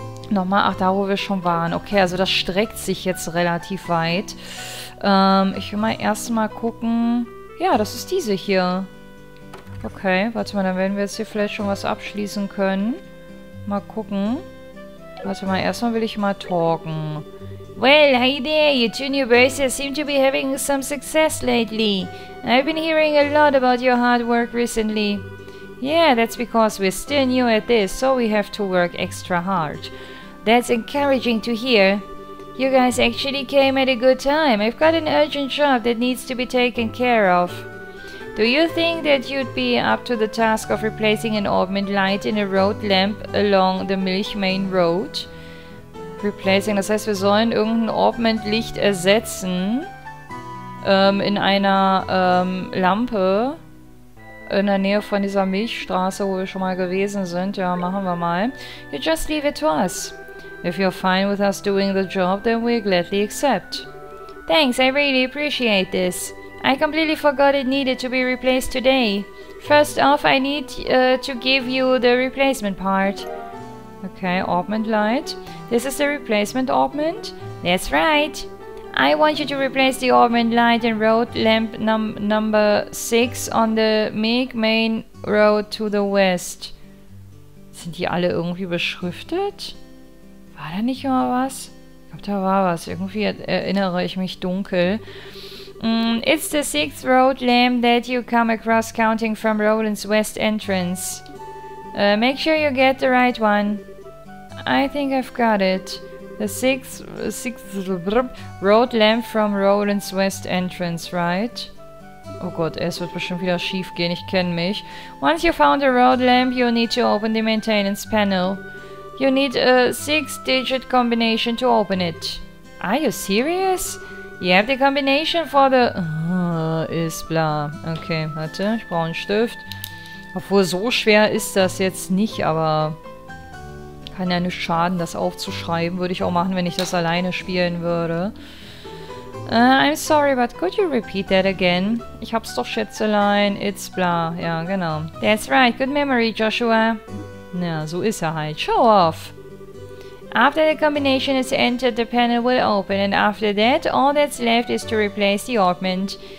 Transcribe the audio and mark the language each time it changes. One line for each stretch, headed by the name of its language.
German: Nochmal, ach, da wo wir schon waren. Okay, also das streckt sich jetzt relativ weit. Ich will mal erstmal gucken. Ja, das ist diese hier. Okay, warte mal, dann werden wir jetzt hier vielleicht schon was abschließen können. Mal gucken. Warte mal, erstmal will ich mal talken.
English: Well, hi there, you two new braces seem to be having some success lately. I've been hearing a lot about your hard work recently. Yeah, that's because we're still new at this, so we have to work extra hard. That's encouraging to hear. You guys actually came at a good time. I've got an urgent job that needs to be taken care of. Do you think that you'd be up to the task of replacing an augment light in a road lamp along the Milch Main Road?
German: Replacing, das heißt, wir sollen irgendein augment Licht ersetzen in einer Lampe in der Nähe von dieser Milchstraße, wo wir schon mal gewesen sind. Ja, machen wir mal.
English: You just leave it to us. If you're fine with us doing the job, then we'll gladly accept. Thanks, I really appreciate this. I completely forgot it needed to be replaced today. First off, I need to give you the replacement part. Okay, augment light. This is the replacement augment? That's right. I want you to replace the augment light and road lamp number 6 on the Milch Main Road to the west.
German: Sind die alle irgendwie beschriftet? War da nicht immer was? Ich glaube, da war was. Irgendwie erinnere ich mich dunkel.
English: It's the 6th road lamp that you come across counting from Roland's west entrance. Make sure you get the right one. I think I've got it. The 6th road lamp from Roland's west entrance, right?
German: Oh Gott, es wird bestimmt wieder schief gehen. Ich kenne mich.
English: Once you found the road lamp, you'll need to open the maintenance panel. You need a 6-digit combination to open it. Are you serious? You have the combination for the...
German: ist, bla. Okay, warte, ich brauche einen Stift. Obwohl, so schwer ist das jetzt nicht, aber kann ja nicht schaden, das aufzuschreiben. Würde ich auch machen, wenn ich das alleine spielen würde.
English: I'm sorry, but could you repeat that again?
German: Ich hab's doch, Schätzelein.
English: It's bla.
German: Ja, genau.
English: That's right. Good memory, Joshua.
German: Ja, so ist er halt.
English: Show off. After the combination is entered, the panel will open, and after that, all that's left is to replace the augment.